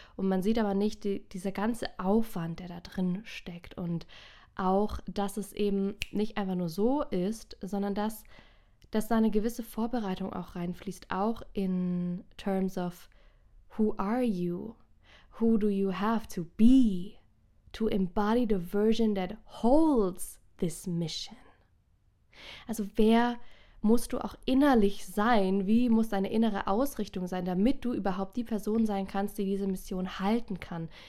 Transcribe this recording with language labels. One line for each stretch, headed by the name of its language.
German: Und man sieht aber nicht dieser ganze Aufwand, der da drin steckt. Und auch, dass es eben nicht einfach nur so ist, sondern dass da eine gewisse Vorbereitung auch reinfließt, auch
English: in terms of who are you? who do you have to be to embody the version that holds this mission?
German: Also wer musst du auch innerlich sein? Wie muss deine innere Ausrichtung sein, damit du überhaupt die Person sein kannst, die diese Mission halten kann?